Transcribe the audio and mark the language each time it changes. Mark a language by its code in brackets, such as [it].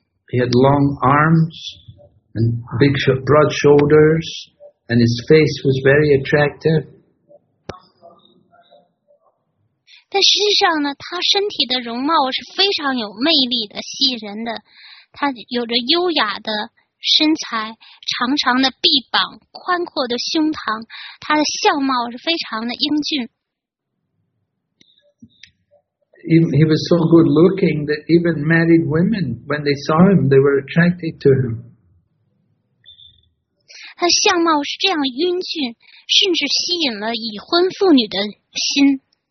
[en] He had long arms and big, broad shoulders, and his face was very attractive. [zh] 但实际上呢，他身体的容貌是非常有魅力的，吸引人的。他有着优雅的身材，长长的臂膀，宽阔的胸膛，他的相貌是非常的英俊。 [en] He was so good looking that even married women, when they saw him, they were attracted to him. [zh] 他相貌是这样英俊，甚至吸引了已婚妇女的心。